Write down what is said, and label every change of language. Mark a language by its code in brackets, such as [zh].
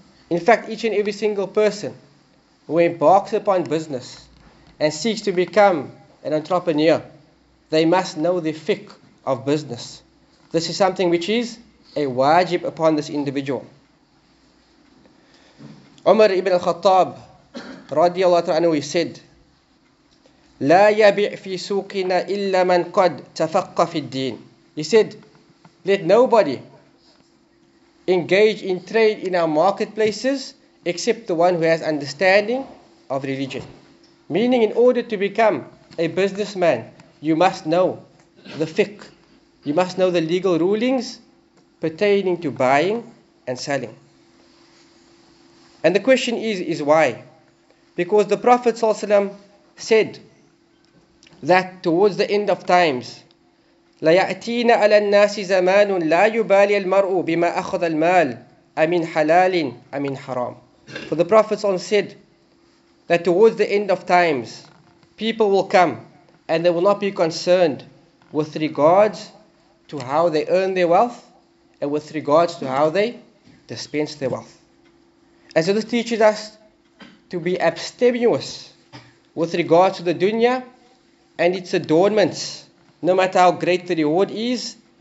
[en] In fact, each and every single person who embarks upon business and seeks to become an entrepreneur, they must know the fiqh of business. This is something which is a wajib upon this individual. Umar ibn al-Khattab radiallahu ta'ala anhu, he said, [ar] لا يبيع في سوقنا إلا من قد تفقه في الدين. [en] He said, let nobody engage in trade in our marketplaces except the one who has understanding of religion. Meaning, in order to become a businessman, you must know the fiqh. You must know the legal rulings pertaining to buying and selling. And the question is why? Because the Prophet ﷺ said that towards the end of times, [ar] لَيَأْتِينَ عَلَى النَّاسِ زَمَانٌ لَا يُبَالِي الْمَرْءُ بِمَا أَخَذَ الْمَالِ أَمِنْ حَلَالٍ أَمِنْ حَرَامٍ. [en] For the Prophet ﷺ said that towards the end of times, people will come and they will not be concerned with regards to how they earn their wealth and with regards to how they dispense their wealth. And so this teaches us to be abstemious with regards to the dunya and its adornments, no matter how great the reward is.